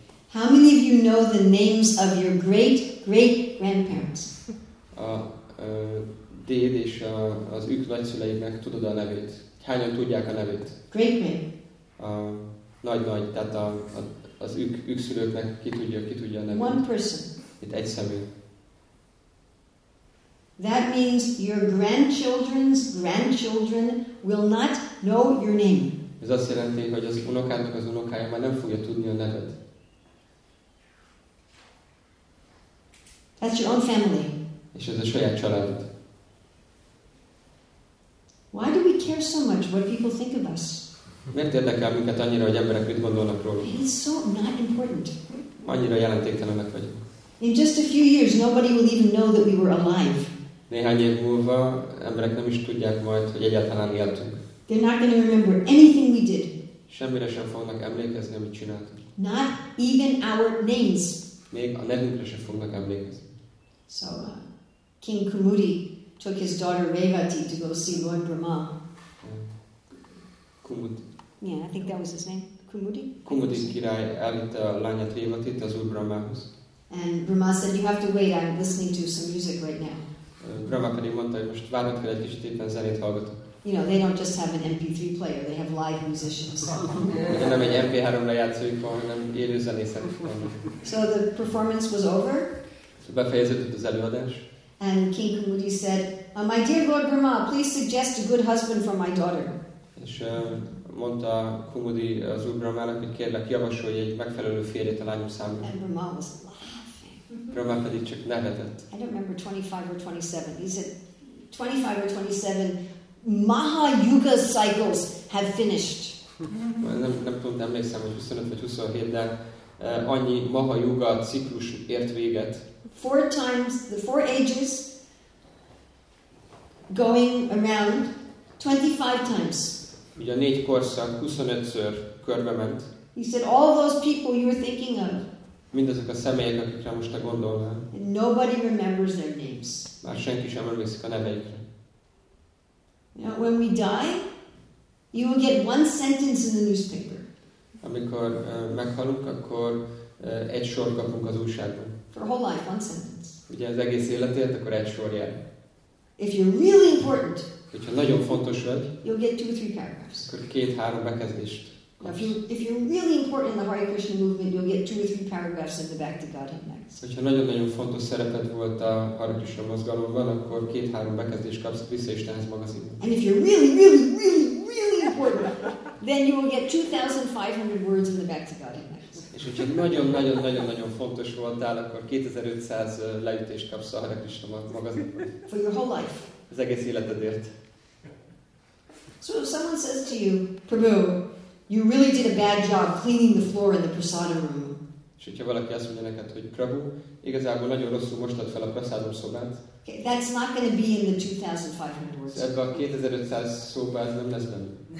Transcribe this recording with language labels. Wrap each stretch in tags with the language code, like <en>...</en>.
<en>How many of you know the names of your great great grandparents?</en> <hu>Déd és az ők nagyszüleinek tudod a nevét? Hányan tudják a nevét?</hu> <en>Great man.</en> <hu>Nagy, tehát az ők szülőknek ki tudja a nevét?</hu> <en>One person.</en> <hu>Itt egy személy.</hu> <en>That means your grandchildren's grandchildren will not know your name.</en> <hu>Ez azt jelenti, hogy az unokádnak az unokája már nem fogja tudni a neved.</hu> <en>That's your own family.</en> <hu>És ez a saját családod.</hu> <en>Why do we care so much what people think of us?</en> <hu>Miért érdekel minket annyira, hogy emberek mit gondolnak rólunk?</hu> <en>It's so not important.</en> <hu>Annyira jelentéktelenek vagyunk.</hu> <en>In just a few years, nobody will even know that we were alive.</en> <hu>Néhány év múlva emberek nem is tudják majd, hogy egyáltalán éltünk.</hu> <en>They're not going to remember anything we did.</en> <hu>Semmire sem fognak emlékezni, amit csináltunk.</hu> <en>Not even our names.</en> <hu>Még a nevünkre sem fognak emlékezni.</hu> <en>So King Kumudi took his daughter Revati to go see Lord Brahma. Kumudi. Yeah, I think that was his name. Kumudi.</en> <hu>Kumudi király elvitte a lányát Revatit az úr Brahmához.</hu> <en>And Brahma said, "You have to wait. I'm listening to some music right now."</en> <hu>Brahma pedig mondta, hogy most várnod kell egy kicsit, éppen zenét hallgatok.</hu> <en>You know, they don't just have an MP3 player, they have live musicians.</en> <hu>Nem egy MP3-ra játszóik van, hanem élő zenészek van.</hu> <en>So the performance was over.</en> <hu>Befejeződött az előadás.</hu> <en>And King Kumudi said, "My dear Lord Brahma, please suggest a good husband for my daughter."</en> <hu>És mondta Kumudi az úr Brahmának, hogy kérlek, javasolj egy megfelelő férjét a lányom számára.</hu> <en>And Brahma was laughing.</en> <hu>Brahma pedig csak nevetett.</hu> <en>I don't remember 25 or 27. He said, 25 or 27, Mahayuga cycles have finished.</en> <hu>Nem tudom, nem emlékszem, hogy 25 vagy 27, de annyi Mahayuga ciklus ért véget.</hu> <en>Four times, the four ages going around 25 times.</en> <hu>Ugye a négy korszak 25-ször körbe ment.</hu> <en>He said, all those people you were thinking of.</en> <hu>Mindazok a személyek, akikre most te gondolnál.</hu> <en>And nobody remembers their names.</en> <hu>Már senki sem emlékszik a neveikre.</hu> <en>Now, when we die, you will get one sentence in the newspaper.</en> <hu>Amikor meghalunk, akkor egy sor kapunk az újságban.</hu> <en>For a whole life, one sentence.</en> <hu>Ugye az egész életét, akkor egy sor jel.</hu> <en>If you're really important,</en> <hu>hogyha nagyon fontos vagy,</hu> <en>you'll get two or three paragraphs.</en> <hu>Akkor két-három bekezdést.</hu> <en>If you're really important in the Hare Krishna movement, you'll get two or three paragraphs in the Bhakti Godhead magazine.</en> <hu>Hogyha nagyon-nagyon fontos szerepet volt a Hare Krishna mozgalomban, akkor két-három bekezdést kapsz vissza Istenhez magazinban.</hu> <en>And if you're really, really, really, really important, then you will get 2,500 words in the Bhakti Godhead magazine.</en> <hu>És hogyha nagyon-nagyon-nagyon-nagyon fontos voltál, akkor 2,500 leütést kapsz a Hare Krishna magazinban.</hu> <en>For your whole life.</en> <hu>Az egész életedért.</hu> <en>So if someone says to you, Prabhu, you really did a bad job cleaning the floor in the prasadam room.</en> <hu>És hogyha valaki azt mondja neked, hogy Prabhu, igazából nagyon rosszul mostad fel a prasadam szobát.</hu> <en>Okay, that's not going to be in the 2,500 words.</en> <hu>Ebben a 2,500 szóban ez nem lesz benne.</hu>